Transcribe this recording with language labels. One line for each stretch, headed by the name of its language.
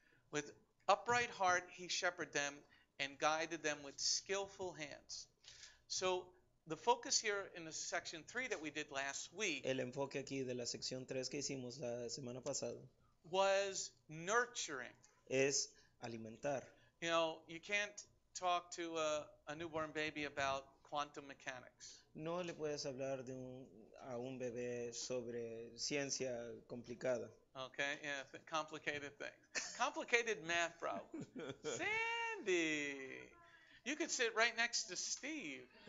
English: With upright heart, he shepherded them and guided them with skillful hands. So the focus here in the section 3 that we did last week,
Spanish: el enfoque aquí de la sección 3 que hicimos la semana pasada,
English: was nurturing.
Spanish: Es alimentar.
English: You know, you can't talk to a newborn baby about quantum mechanics.
Spanish: No le puedes hablar de a un bebé sobre ciencia complicada.
English: Okay, yeah, complicated things. Complicated math, bro. Sandy, you could sit right next to Steve.